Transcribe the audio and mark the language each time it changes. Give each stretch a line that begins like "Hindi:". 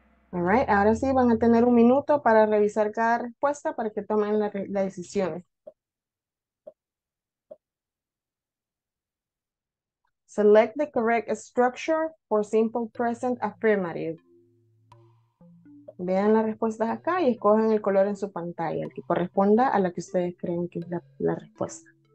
Spanish: All right, ahora sí van a tener un minuto para revisar cada respuesta para que tomen la decisión.
English: Select the correct structure for simple present affirmative.
Spanish: Vean las respuestas acá y escogen el color en su pantalla, el que corresponda a la que ustedes creen que es la respuesta.